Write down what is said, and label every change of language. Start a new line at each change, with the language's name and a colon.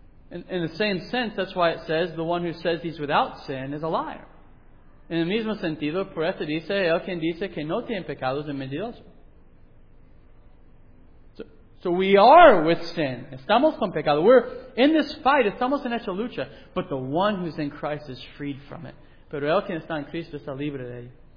English: In the same sense, that's why it says the one who says he's without sin is a liar.
Spanish: En el mismo sentido, por eso dice, el quien dice que no tiene pecados es mentiroso.
English: So we are with sin.
Spanish: Estamos con pecado.
English: We're in this fight.
Spanish: Estamos en esta lucha.
English: But the one who's in Christ is freed from it.
Spanish: Pero el quien está en Cristo está libre de ello.